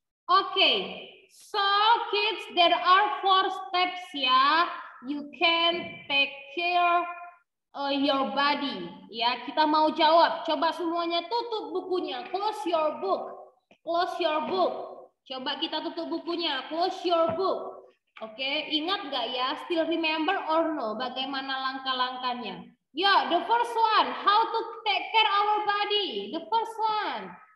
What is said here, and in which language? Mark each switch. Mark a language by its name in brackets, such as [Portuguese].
[English] Okay, so kids, there are four steps, yeah, you can take care your body. [Indonesian] Yeah, kita mau jawab. Coba semuanya tutup bukunya. [English] Close your book. Close your book. [Indonesian] Coba kita tutup bukunya. [English] Close your book. [Indonesian] Okay, ingat gak ya? [English] Still remember or no? [Indonesian] Bagaimana langkah-langkahnya? [English] Yeah, the first one. How to take care our body. The first one.